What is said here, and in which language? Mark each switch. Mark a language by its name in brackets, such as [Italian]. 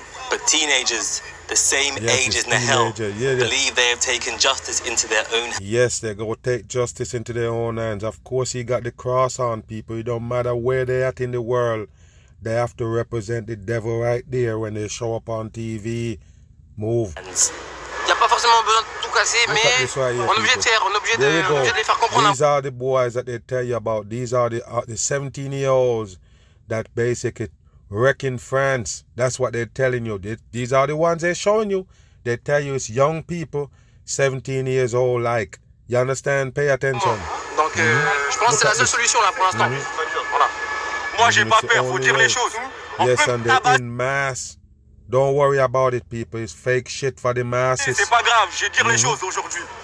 [English] But teenagers, the same age as Nahel, believe they have taken justice into their own hands. Yes, they're going to take justice into their own hands. Of course, he got the cross on, people. It don't matter where they're at in the world. They have to represent the devil right there when they show up on TV. Move. [French] Y a pas forcément besoin de tout casser, mais [English] right here, [French] on est obligé de faire, on est obligé de les faire comprendre. [English] These are the boys that they tell you about. These are the 17-year-olds that basically wrecking France. That's what they're telling you. These are the ones they're showing you. They tell you it's young people, 17 years old, like. You understand? Pay attention. [French] Donc, je pense que c'est la seule solution là pour l'instant. Moi, j'ai pas peur, faut dire les choses. [English] Yes, and they're in mass. Don't worry about it, people. It's fake shit for the masses. [French] C'est pas grave, je vais dire les choses aujourd'hui.